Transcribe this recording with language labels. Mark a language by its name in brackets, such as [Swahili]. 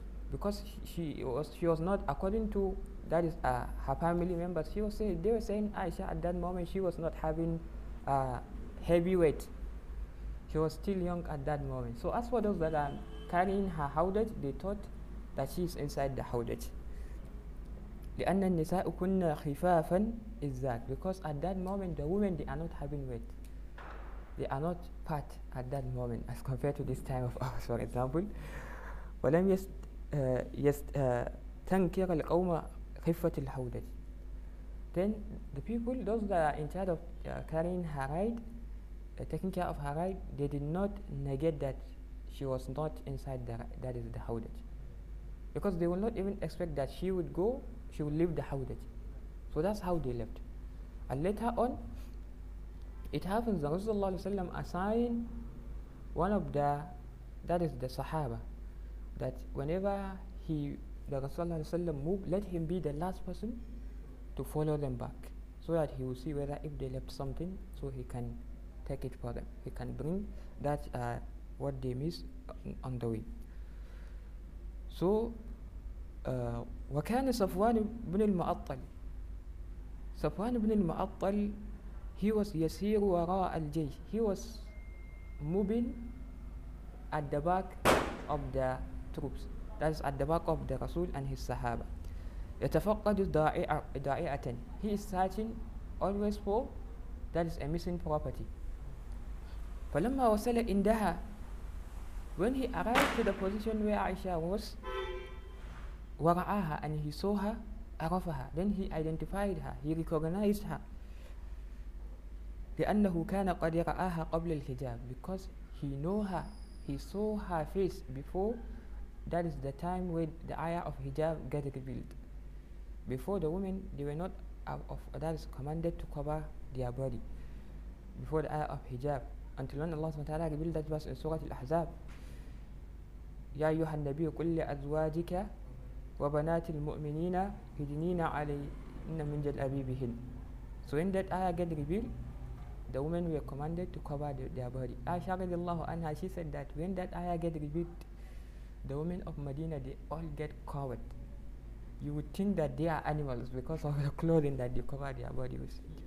[English] Because she was not, according to that is her family members, they were saying Aisha at that moment she was not having heavy weight. She was still young at that moment. So as for those that are carrying her howdah, they thought that she's inside the howdah. [Arabic] لأن النساء كن خفافا إذاك. [English] Because at that moment the women, they are not having weight. They are not fat at that moment as compared to this time of ours, for example. [Arabic] ولم يستنكر القوم خفة الحودج. [English] Then the people, those that are in charge of carrying her ride, taking care of her ride, they did not negate that she was not inside the حودج. Because they will not even expect that she would go, she would leave the howdah. So that's how they left. And later on, it happens that Rasulullah assigned one of the Sahaba, that whenever the Rasulullah moved, let him be the last person to follow them back, so that he will see whether if they left something, so he can take it for them. He can bring that what they missed on the way. So, [Arabic] وكان صفوان بن المعطل. صفوان بن المعطل, [English] he was [Arabic] يسير وراء الجيش. [English] He was moving at the back of the troops. That is at the back of the Rasul and his Sahaba. [Arabic] يتفقد ضائعة. [English] He is searching always for that is a missing property. [Arabic] فلما وصل عندها, [English] when he arrived to the position where Aisha was, [Arabic] وَرَعَاهَا, [English] and he saw her, [Arabic] عَرَفَهَا, [English] then he identified her, he recognized her. [Arabic] لِأَنَّهُ كَانَ قَدْ رَعَاهَا قَبْلِ الْحِجَابِ, [English] because he knew her, he saw her face before, that is the time when the ayah of hijab got revealed. Before the women, they were not of that is commanded to cover their body, before the ayah of hijab, [Arabic] تلون الله سبحانه وتعالى قبل ذات بس سورة الأحزاب: يا أيها النبي قل لأزواجك وبنات المؤمنين يدنين علينا من جلابيبهن. [English] So in that ayah get revealed, the woman were commanded to cover their body. Aisha radiallahu anha, she said that when that ayah get revealed, the women of Medina, they all get covered. You would think that they are animals because of the clothing that they cover their body with.